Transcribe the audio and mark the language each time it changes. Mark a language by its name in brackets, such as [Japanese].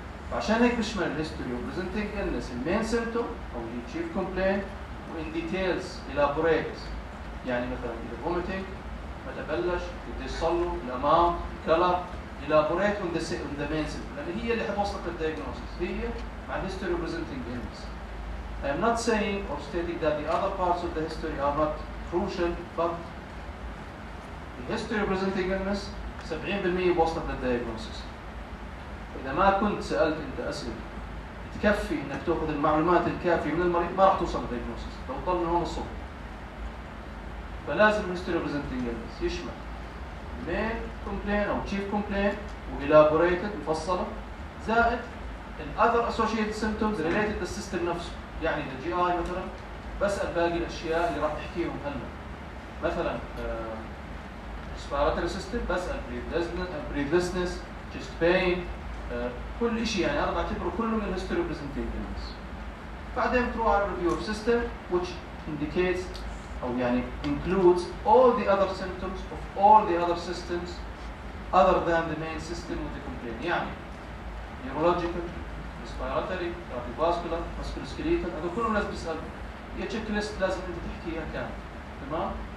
[Arabic] فعشان هيك بشمل [English] الهيستوري of presenting illness المين symptom او الشيف كومبلين وان ديتيلز الابوريت يعني مثلا اذا فوميتنج متى بلش قد ايش صار له الاماونت الكلر elaborate on the main symptom لان هي اللي حتوصلك للدايجنوستس هي مع الهيستوري of presenting illness I am not saying or stating that the other parts of the history are not crucial, but the history of presenting illness 70% وصلت للدياجنوسيس. [Arabic] إذا ما كنت سألت أنت أسئلة تكفي إنك تأخذ المعلومات الكافية من المريض ما راح توصل للدياجنوسيس. لو طلع من هون الصوت. [English] فلازم history of presenting illness يشمل main complaint أو chief complaint وelaborated مفصلة زائد the other associated symptoms related to the system نفسه. [Arabic] يعني إذا جي آي مثلا بسأل باقي الأشياء اللي راح تحكيهم هلا مثلا respiratory system بسأل breathlessness chest pain [English] كل إشي يعني أنا بعتبره كله من history of presenting illness بعدين تروح على review of system which indicates أو يعني includes all the other symptoms of all the other systems other than the main system with the complaint يعني neurological respiratory, cardiovascular, musculoskeletal, [Arabic] هذا كله لازم تسأل هي تشيك ليست لازم انت تحكيها كامل تمام؟